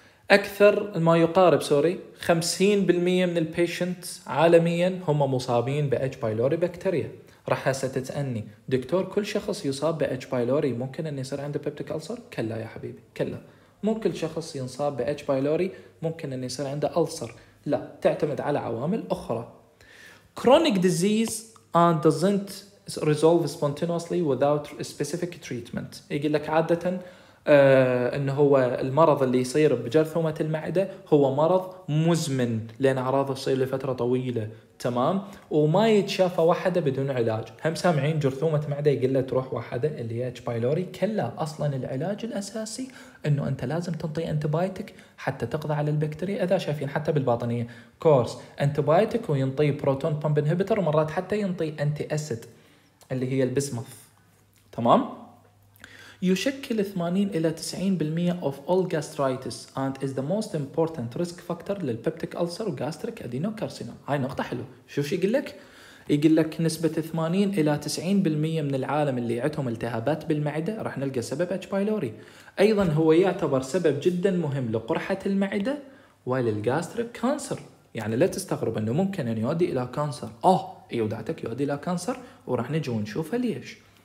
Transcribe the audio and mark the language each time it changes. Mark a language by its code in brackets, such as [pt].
[ar] اكثر ما يقارب 50% من البيشنت عالميا هم مصابين باتش بايلوري بكتيريا. راح هسه تتأني دكتور كل شخص يصاب بإتش بايلوري ممكن أن يصير عنده بيبتيك ألسر؟ كلا يا حبيبي كلا مو كل شخص ينصاب بإتش بايلوري ممكن أن يصير عنده ألسر لا تعتمد على عوامل أخرى. [en] Chronic disease doesn't resolve spontaneously without specific treatment. [ar] يقول لك عادة أنه هو المرض اللي يصير بجرثومة المعدة هو مرض مزمن لأن أعراضه تصير لفترة طويلة تمام وما يتشافى واحدة بدون علاج. هم سامعين جرثومة معدة يقول له تروح واحدة اللي هي اتش بايلوري كلا أصلا العلاج الأساسي أنه أنت لازم تنطي أنتبايتك حتى تقضي على البكتيريا إذا شايفين حتى بالباطنية كورس أنتبايتك وينطي بروتون بامب انهبتر ومرات حتى ينطي أنتي أسد اللي هي البسمث تمام. يشكل 80 إلى 90% [en] of all gastritis and is the most important risk factor للpeptic ulcer وgastric adenocarcinoma. [ar] هاي نقطة حلو. شوف شي يقلك؟ يقلك نسبة 80 إلى 90% من العالم اللي عندهم التهابات بالمعدة رح نلقى سبب H. pylori. أيضا هو يعتبر سبب جدا مهم لقرحة المعدة وللgastric cancer. يعني لا تستغرب أنه ممكن أن يؤدي إلى cancer. يودعتك يؤدي إلى cancer ورح نجي ونشوفها ليش.